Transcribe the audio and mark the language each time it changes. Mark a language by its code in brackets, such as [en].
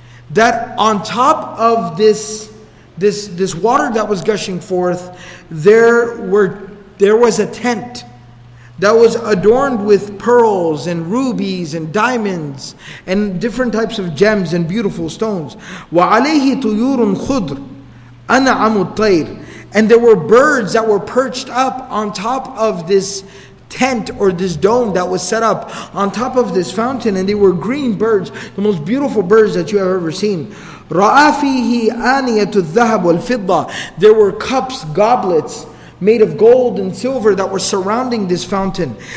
[en] That on top of this water that was gushing forth, there was a tent that was adorned with pearls and rubies and diamonds and different types of gems and beautiful stones. [ar] وَعَلَيْهِ طُيُورٌ خُضْرٌ أَنْعَمُ الطَّيْرِ. [en] And there were birds that were perched up on top of this tent or this dome that was set up on top of this fountain, and they were green birds, the most beautiful birds that you have ever seen. [ar] رَأَى فِيهِ آنِيَةُ الذَّهَبُ وَالْفِضَّةِ. [en] There were cups, goblets, made of gold and silver that were surrounding this fountain.